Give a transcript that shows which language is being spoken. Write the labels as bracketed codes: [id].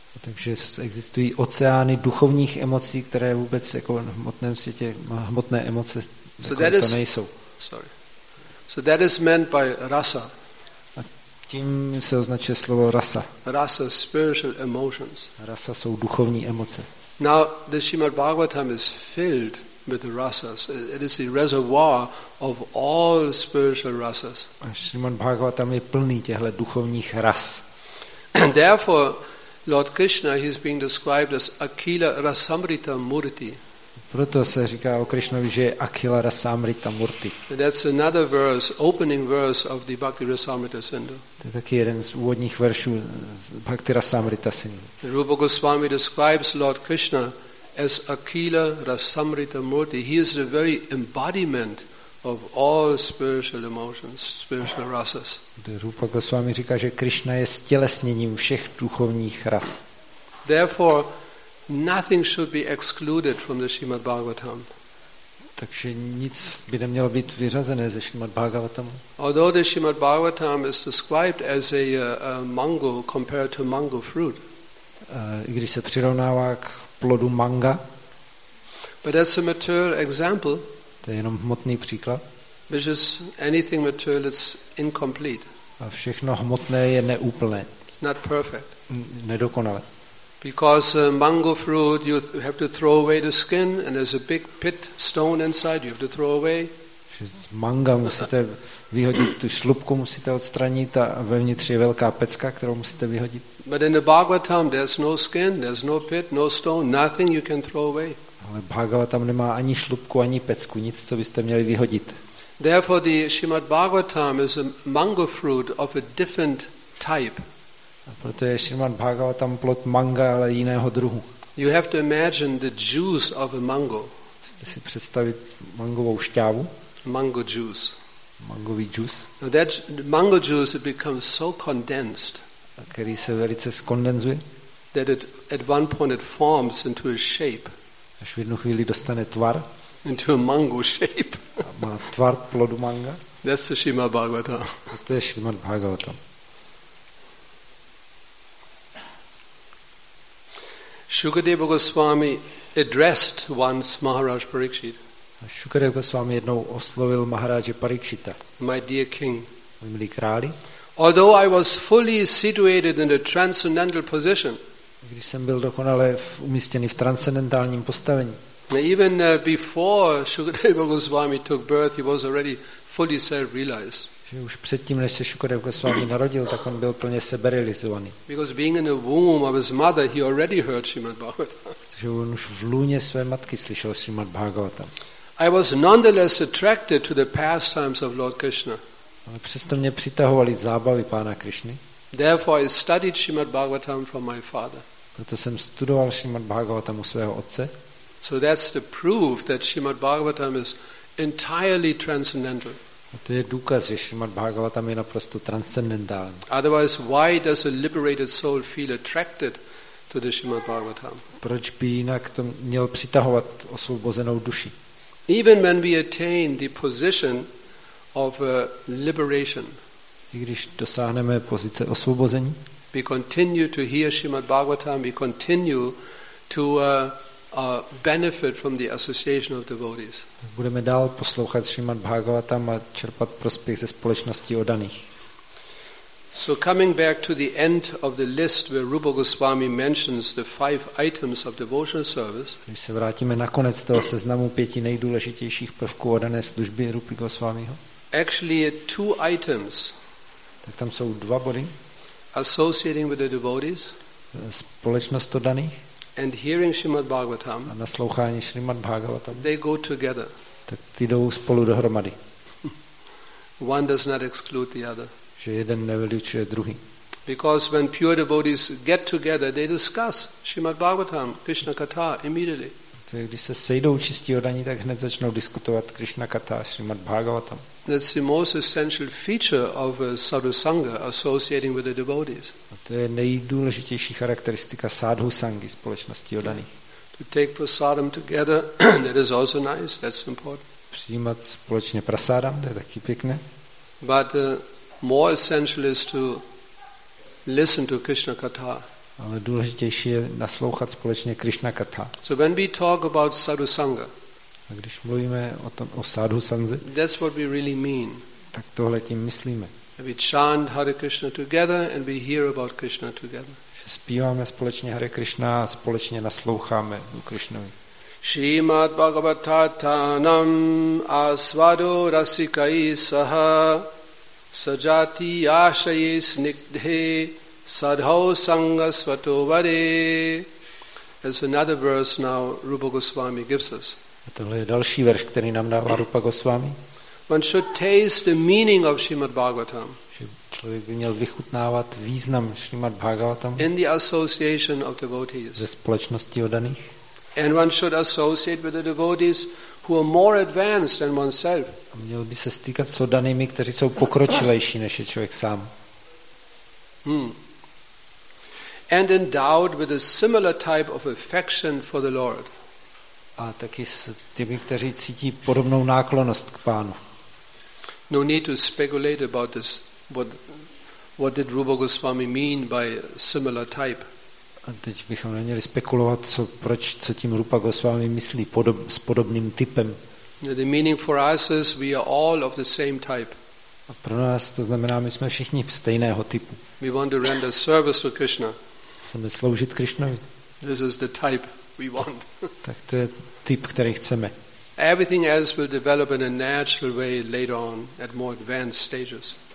[cs] Takže existují oceány duchovních emocí, které vůbec jako v hmotném světě hmotné emoce jako to nejsou. [en] So that is meant by rasa. [cs] A tím se označuje slovo rasa. [en] Rasa, spiritual emotions. [cs] Rasa jsou duchovní emoce. [en] Now the Srimad Bhagavatam is filled with the rasas. It is the reservoir of all spiritual rasas. [cs] Srimad Bhagavatam je plný těchto duchovních ras. [en] And therefore Lord Krishna he is being described as Akhila Rasamrita Murti. [cs] Proto se říká o Krishnovi, že je Akhila Rasamrita Murti. [en] That's another verse, opening verse of the Bhakti Rasamrita Sindhu. [cs] To je taky jeden z úvodních veršů Bhakti Rasamrita Sindhu. [en] Rupa Goswami describes Lord Krishna as Akhila Rasamrita Murti. He is the very embodiment of all spiritual emotions, spiritual rasas. [cs] Rupa Goswami říká, že Krishna je stělesněním všech duchovních ras. [en] Therefore, nothing should be excluded from the Srimad Bhagavatam. [cs] Takže nic by nemělo být vyřazené ze Srimad Bhagavatam. [en] Although the Srimad Bhagavatam is described as a mango compared to mango fruit. [cs] I když se přirovnává k plodu manga. [en] But as a material example, [cs] to je jenom hmotný příklad. [en] Which is anything material, it's incomplete. [cs] A všechno hmotné je neúplné. [en] It's not perfect. [cs] Nedokonalé. [en] Because mango fruit, you have to throw away the skin and there's a big pit stone inside, you have to throw away. [cs] Z manga musíte vyhodit tu šlupku, musíte odstranit a vevnitř je velká pecka, kterou musíte vyhodit. [en] But in the Bhagavatam there's no skin, there's no pit, no stone, nothing you can throw away. [cs] Ale Bhagavatam nemá ani šlupku, ani pecku, nic, co byste měli vyhodit. [en] Therefore the Srimad Bhagavatam is a mango fruit of a different type. [cs] A proto je Srimad Bhagavatam plod manga, ale jiného druhu. [en] You have to imagine the juice of a mango. [cs] Musíte si představit mangovou šťávu. [en] Mango juice. [cs] Mangový juice. [en] Now that mango juice it becomes so condensed. [cs] A který se velice skondenzuje. [en] That it at one point it forms into a shape. [cs] Až v jednu chvíli dostane tvar. [en] Into a mango shape. [cs] Má tvar plodu manga. [en] That's the Srimad Bhagavatam. [cs] A to je Srimad Bhagavatam. [en] Shukadeva Goswami addressed once Maharaj Parikshit. [cs] Shukadeva Goswami jednou oslovil Maharaje Parikshita. [en] My dear king. [cs] Můj milý králi. [en] Although I was fully situated in a transcendental position. [cs] Když jsem byl dokonale umístěný v transcendentálním postavení. [en] Even before Shukadeva Goswami took birth, he was already fully self-realized. [cs] Že už předtím, než se Shukadeva Goswami narodil, tak on byl plně seberealizovaný. [en] Because being in the womb of his mother, he already heard Srimad Bhagavatam. [cs] Že on už v lůně své matky slyšel Srimad Bhagavatam. [en] I was nonetheless attracted to the pastimes of Lord Krishna. [cs] Ale přesto mě přitahovaly zábavy pána Krishny. [en] Therefore I studied Srimad Bhagavatam from my father. [cs] Proto jsem studoval Srimad Bhagavatam u svého otce. [en] So that's the proof that Srimad Bhagavatam is entirely transcendental. [cs] A to je důkaz, že Srimad Bhagavatam je naprosto transcendentální. [en] Otherwise why does a liberated soul feel attracted to the Srimad Bhagavatam? [cs] Proč by jinak to měl přitahovat osvobozenou duši? [en] Even when we attain the position of liberation, [cs] i když dosáhneme pozice osvobození, [en] we continue to hear Srimad Bhagavatam, we continue to benefit from the association of devotees. [cs] Budeme dál poslouchat Srimad Bhagavatam a čerpat prospěch ze společnosti oddaných. [en] So coming back to the end of the list where Rupa Goswami mentions the five items of devotional service. [cs] Když se vrátíme na konec toho seznamu pěti nejdůležitějších prvků oddané služby Rupy Goswamiho. [en] Actually two items. [cs] Tak tam jsou dva body. [en] Associating with the devotees. [cs] Společnost oddaných. [en] And hearing Srimad Bhagavatam. [cs] A naslouchání Srimad Bhagavatam. [en] They go together. [cs] Tak ty jdou spolu dohromady. [en] One does not exclude the other. [cs] Že jeden nevylučuje druhý. [en] Because when pure devotees get together, they discuss Srimad Bhagavatam, Krishna Katha immediately. [cs] Takže když se sejdou čistí oddaní, tak hned začnou diskutovat Krishna Katha, Srimad Bhagavatam. [en] That's the most essential feature of a sadhu sangha associating with the devotees. [cs] A to je nejdůležitější charakteristika sadhu sanghy, společnosti oddaných. [en] To take prasadam together, that is also nice, that's important. [cs] Přijímat společně prasadam, to je taky pěkné. [en] But more essential is to listen to Krishna Katha. [cs] Ale důležitější je naslouchat společně Krishna Katha. [en] So when we talk about sadhu sangha, [cs] a když mluvíme o tom o sadhu sanze, [en] that's what we really mean. [cs] Tak tohle tím myslíme. [en] We chant Hare Krishna together and we hear about Krishna together. [cs] Že zpíváme společně Hare Krishna a společně nasloucháme o Krishnovi. [sa] Srimad Bhagavatam asvado rasikai saha sajati ashaye snigdhe sadhau sanga svato vare. [en] There's another verse now Rupa Goswami gives us. [cs] A tohle je další verš, který nám dává Rupa Goswami. [en] One should taste the meaning of Srimad Bhagavatam. [cs] Člověk by měl vychutnávat význam Srimad Bhagavatam. [en] In the association of devotees. [cs] Ve společnosti oddaných. [en] And one should associate with the devotees who are more advanced than oneself. [cs] A měl by se stýkat s oddanými, kteří jsou pokročilejší než je člověk sám. [en] And endowed with a similar type of affection for the Lord. [cs] A taky s těmi, kteří cítí podobnou náklonost k pánu. [en] No need to speculate about this. What did Rupa Goswami mean by similar type? [cs] A teď bychom neměli spekulovat, co tím Rupa Goswami myslí s podobným typem. [en] The meaning for us is we are all of the same type. [cs] A pro nás to znamená, my jsme všichni stejného typu. [en] We want to render service to Krishna. [cs] Chceme sloužit Krishnovi. [en] This is the type we want. [cs] Tak to je typ, který chceme. [en] Everything else will develop in a natural way later on at more advanced stages.